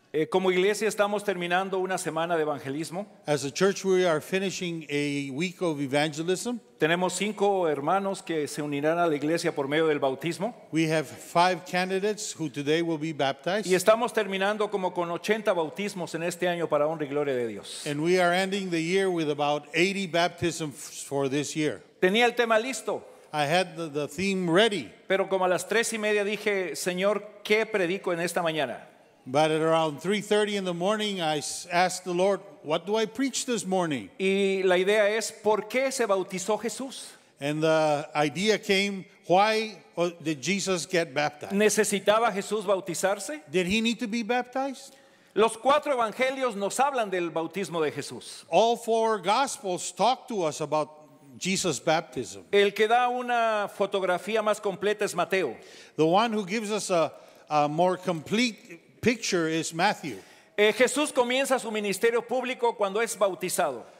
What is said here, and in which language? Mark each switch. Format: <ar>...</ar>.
<es>Como iglesia estamos terminando una semana de evangelismo.</es> <en>As a church, we are finishing a week of evangelism.</en> <es>Tenemos cinco hermanos que se unirán a la iglesia por medio del bautismo.</es> <en>We have five candidates who today will be baptized.</en> <es>Y estamos terminando como con 80 bautismos en este año para honra y gloria de Dios.</es> <en>And we are ending the year with about 80 baptisms for this year.</en> <es>Tenía el tema listo.</es> <en>I had the theme ready.</en> <es>Pero como a las 3:30 dije, Señor, ¿qué predico en esta mañana?</es> <en>But at around 3:30 in the morning, I asked the Lord, what do I preach this morning?</en> <es>Y la idea es, ¿por qué se bautizó Jesús?</es> <en>And the idea came, why did Jesus get baptized?</en> <es>¿Necesitaba Jesús bautizarse?</es> <en>Did he need to be baptized?</en> <es>Los cuatro evangelios nos hablan del bautismo de Jesús.</es> <en>All four gospels talk to us about Jesus' baptism.</en> <es>El que da una fotografía más completa es Mateo.</es> <en>The one who gives us a more complete picture is Matthew.</en> <es>Jesús comienza su ministerio público cuando es bautizado.</es>